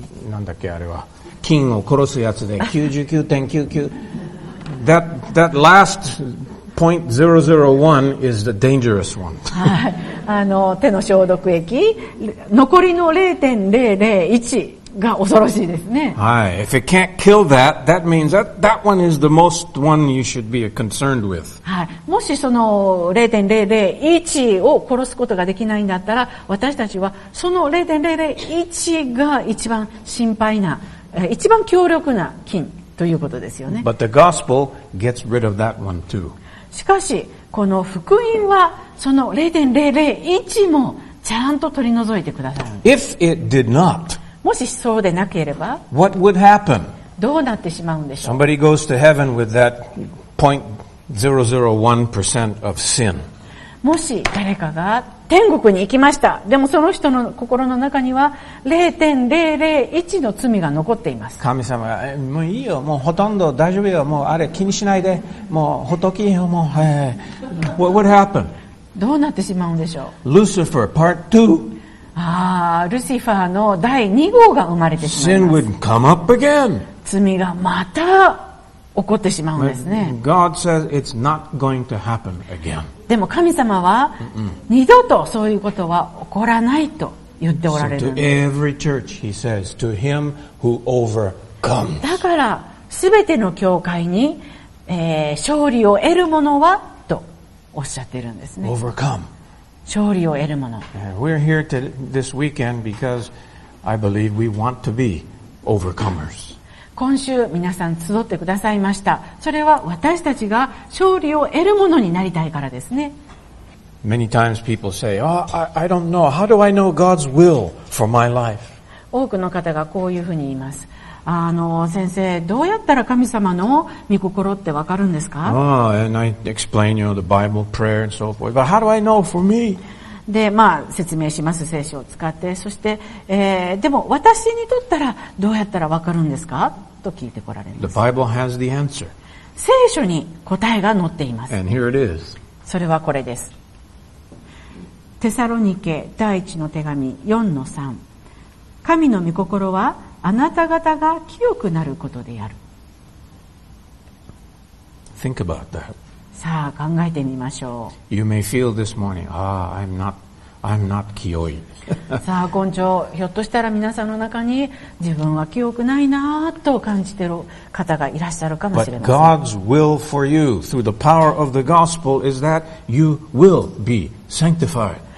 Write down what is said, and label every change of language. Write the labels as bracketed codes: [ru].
[en] なんだっけあれは、金を殺すやつで 99.99 that last 0.001 is the dangerous one. [ja] はい、手の消毒液、残りの 0.001。が恐ろしいですね。はい。 [en] If it can't kill that, that means that one is the most one you should be concerned with. [ja] はい。もしその 0.001 を殺すことができないんだったら、私たちはその 0.001 が一番心配な、一番強力な菌ということですよね。 [en] But the gospel gets rid of that one too. [ja] しかし、この福音はその 0.001 もちゃんと取り除いてくださる。 [en] If it did not, [ja] もしそうでなければ [en] What would happen? [ja] どうなってしまうんでしょう。 [en] Somebody goes to heaven with that 0.001% of sin. [ja] もし誰かが天国に行きました。でもその人の心の中には 0.001 の罪が残っています。神様がもういいよ、もうほとんど大丈夫よ、もうあれ気にしないで、もう仏よ、もう、 What would happen? どうなってしまうんでしょう。 [en] Lucifer part 2。 [ja] ああ、ルシファーの第2号が生まれてしまいます。 [en] Sin would come up again. [ja] 罪がまた起こってしまうんですね。 [en] God says it's not going to happen again. [ja] でも神様は二度とそういうことは起こらないと言っておられるんです。 [en] So、to every church, he says, to him who overcomes. [ja] だから全ての教会に、勝利を得る者はとおっしゃってるんですね。 [en] Overcome. [ja] 勝利を得るもの。 [en] We're here to this weekend because I believe we want to be overcomers. [ja] 今週皆さん集ってくださいました。それは私たちが勝利を得るものになりたいからですね。 [en] Many times people say, "Oh, I don't know. How do I know God's will for my life?" [ja] 多くの方がこういうふうに言います。先生、どうやったら神様の御心ってわかるんですか？ [en] And I explain, you know, the Bible prayer and so forth. But how do I know for me? [ja] で、説明します、聖書を使って。そして、でも私にとったらどうやったらわかるんですか？と聞いてこられます。 [en] The Bible has the answer. [ja] 聖書に答えが載っています。 And here it is. それはこれです。テサロニケ第1の手紙 4-3。神の御心は、あなた方が清くなることである。 [en] Think about that. [ja] さあ考えてみましょう。 [en] You may feel this morning, ah, I'm not kiyoi. [ja] さあ今朝ひょっとしたら皆さんの中に自分は清くないなと感じている方がいらっしゃるかもしれません。 [en] But God's will for you through the power of the gospel is that you will be sanctified.